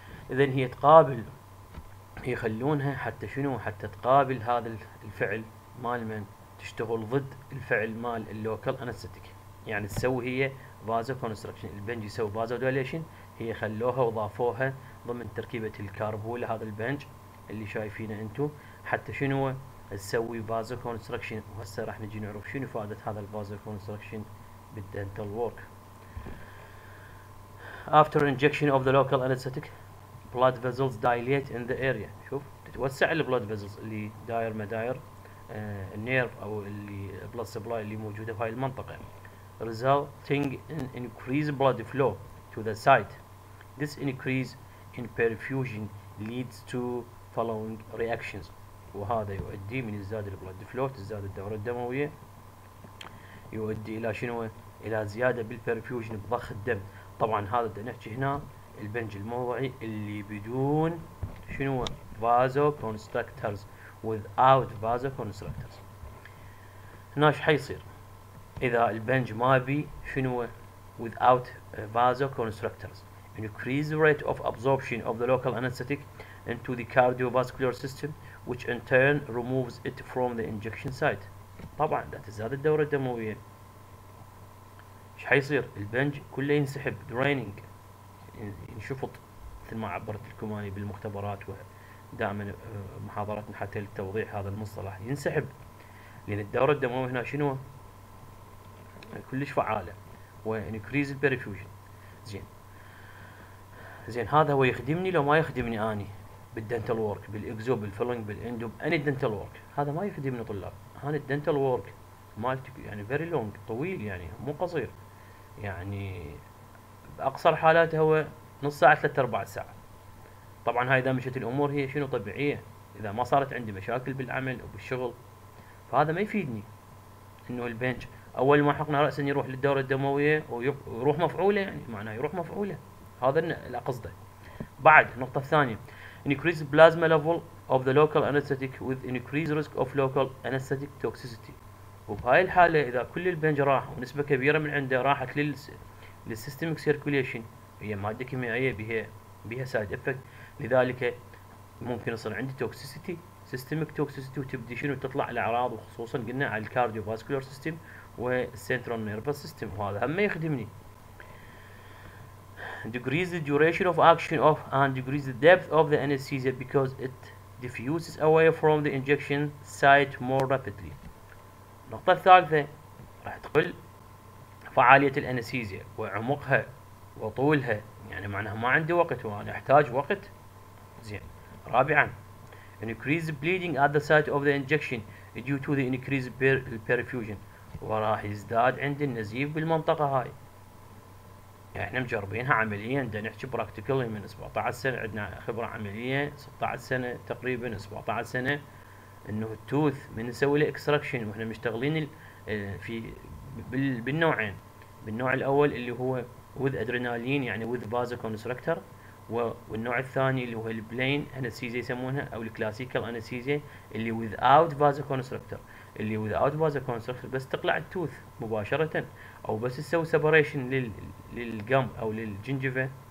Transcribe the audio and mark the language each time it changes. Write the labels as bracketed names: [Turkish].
[Arabic] إذن هي تقابل، يخلونها حتى شنو؟ حتى تقابل هذا الفعل مال من، تشتغل ضد الفعل مال اللوكال أنستيك، يعني تسوي هي فازو كونستركشن، البنج يسوي فازو دايليشن، هي خلوها وضافوها ضمن تركيبة الكاربول هذا البنج اللي شايفينه انتو، حتى شنو تسوي فازو كونستركشن. وهسه راح نجي نعرف شنو فائدة هذا الفازو كونستركشن بالدنتال وورك. [English] After injection of the local anesthetic, blood vessels dilate in the area. [Arabic] شوف تتوسع البلود فيزلز اللي داير ما داير، النيرف او اللي بلود سبلاي اللي موجودة في هاي المنطقة، [English] resulting in increased blood flow to the site. This increase in perfusion leads to following reactions. [Arabic] وهذا يؤدي من ازداد الـ blood flow، تزداد الدورة الدموية، يؤدي إلى شنو؟ إلى زيادة بالـ perfusion، بضخ الدم. طبعاً هذا بدنا نحكي هنا البنج الموضعي اللي بدون شنو؟ vasoconstrictors، without vasoconstrictors. هنا ايش حيصير؟ إذا البنج ما بي شنو [English] without vasoconstrictors increase rate of absorption of the local anesthetic into the cardiovascular system which in turn removes it from the injection site. [Arabic] طبعا ده تزداد الدورة الدموية، ايش حيصير؟ البنج كله ينسحب draining، ينشفط مثل ما عبرت لكم أنا بالمختبرات ودائما محاضراتنا حتى للتوضيح هذا المصطلح، ينسحب لأن الدورة الدموية هنا شنو؟ كلش فعاله و increase perfusion. زين هذا هو يخدمني لو ما يخدمني اني بالدنتال وورك بالاكزو بالفلنج بالاندو اني دنتال وورك، هذا ما يخدمني طلاب. انا الدنتال وورك مالتي يعني [English] very long, [Arabic] طويل يعني مو قصير، يعني باقصر حالاته هو نص ساعه ثلاث اربع ساعه. طبعا هاي اذا مشت الامور هي شنو طبيعيه، اذا ما صارت عندي مشاكل بالعمل وبالشغل فهذا ما يفيدني انه البنج اول ما حقنا راسا يروح للدوره الدمويه ويروح مفعوله، يعني معناه يروح مفعوله، هذا اللي قصده. بعد النقطه الثانيه [English] increase plasma level of the local anesthetic with increased risk of local anesthetic toxicity. [Arabic] وبهاي الحاله اذا كل البنج راح ونسبه كبيره من عنده راحت للسيستميك سيركوليشن، هي ماده كيميائيه بها سايد افكت، لذلك ممكن يصير عندي توكسيسيتي سيستميك توكسيسيتي، وتبدي شنو تطلع الاعراض، وخصوصا قلنا على الكارديو فاسكولار سيستم والسنترال نيرفس سيستم، وهذا هم ما يخدمني. [English] Decrease the duration of action of and decrease the depth of the anesthesia because it diffuses away from the injection site more rapidly. [Arabic] النقطة الثالثة راح تقول فعالية الأنستيزيا وعمقها وطولها، يعني معناها ما عندي وقت وأنا أحتاج وقت. زين. [English] رابعا increase bleeding at the site of the injection due to the increased perfusion، [Arabic] وراح يزداد عند النزيف بالمنطقة هاي. احنا مجربينها عمليا، دا نحكي براكتيكلي من 17 سنة عندنا خبرة عملية، 16 سنة تقريبا 17 سنة انه التوث من نسوي له اكستراكشن، واحنا مشتغلين في بالنوعين، بالنوع الاول اللي هو وذ ادرينالين يعني وذ بازو كونستركتر، والنوع الثاني اللي هو البلين انستيزيا يسمونها او الكلاسيكال انستيزيا اللي وذ اوت بازو كونستركتر، اللي وذ اوت بازو كونستركتر بس تقلع التوث مباشرة او بس تسوي سيبريشن للجم او للجنجيفا